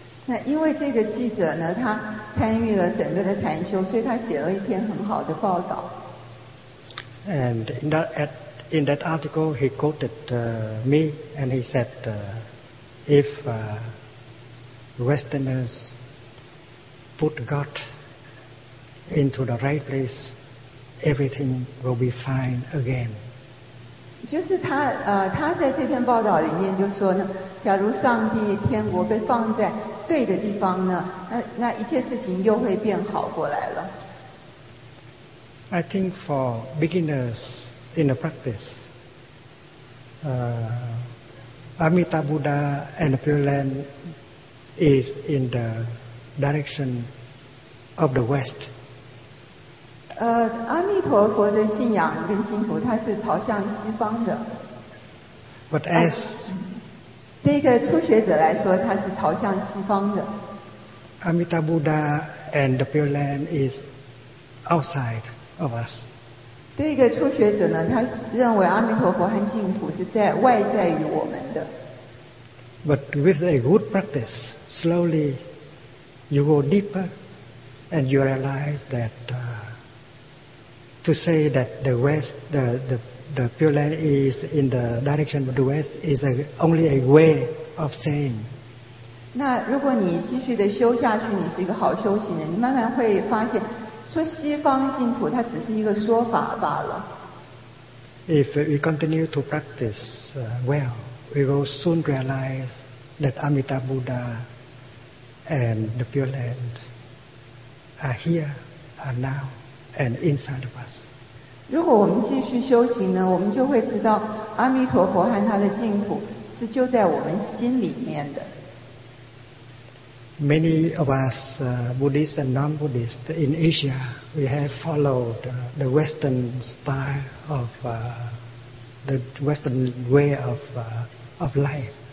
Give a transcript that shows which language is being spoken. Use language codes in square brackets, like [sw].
[zh] 那因为这个记者呢，他参与了整个的禅修，所以他写了一篇很好的报道。 [en] And in that article, he quoted me, and he said, "If Westerners put God into the right place, everything will be fine again." [zh] 就是他在这篇报道里面就说呢，假如上帝天国被放在对的地方呢，那一切事情又会变好过来了。 [en] I think for beginners in the practice, Amitabha Buddha and the Pure Land is in the direction of the West. [zh] 阿弥陀佛的信仰跟净土，它是朝向西方的。 [en] But as [zh] 对一个初学者来说，他是朝向西方的。 [en] Amitabha Buddha and the Pure Land is outside of us. [zh] 对一个初学者呢，他认为阿弥陀佛和净土是在外在于我们的。 [en] But with a good practice, slowly you go deeper, and you realize that to say that the West, the Pure Land is in the direction of the West is only a way of saying. [zh] 那如果你继续的修下去，你是一个好修行人，你慢慢会发现，说西方净土它只是一个说法罢了。 [en] If we continue to practice well, we will soon realize that Amitabha Buddha and the Pure Land are here, are now, and inside of us. [zh] 如果我们继续修行呢，我们就会知道阿弥陀佛和他的净土是就在我们心里面的。 [en] Many of us Buddhists and non-Buddhists in Asia, we have followed the Western style of the Western way of life.